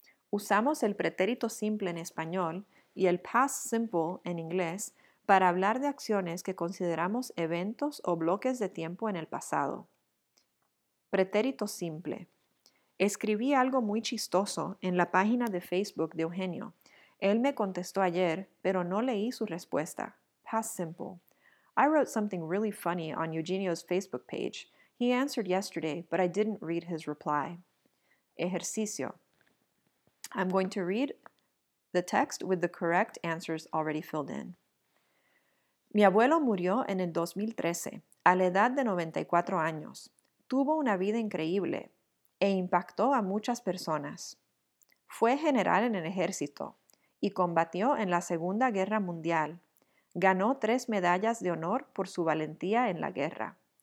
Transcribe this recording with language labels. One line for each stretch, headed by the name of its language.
Spanish: Usamos el pretérito simple en español y el past simple en inglés para hablar de acciones que consideramos eventos o bloques de tiempo en el pasado. Pretérito simple. Escribí algo muy chistoso en la página de Facebook de Eugenio. Él me contestó ayer, pero no leí su respuesta.
English: Past simple. I wrote something really funny on Eugenio's Facebook page. He answered yesterday, but I didn't read his reply.
Spanish: Ejercicio.
English: I'm going to read the text with the correct answers already filled in.
Spanish: Mi abuelo murió en el 2013, a la edad de 94 años. Tuvo una vida increíble e impactó a muchas personas. Fue general en el ejército y combatió en la Segunda Guerra Mundial. Ganó 3 medallas de honor por su valentía en la guerra.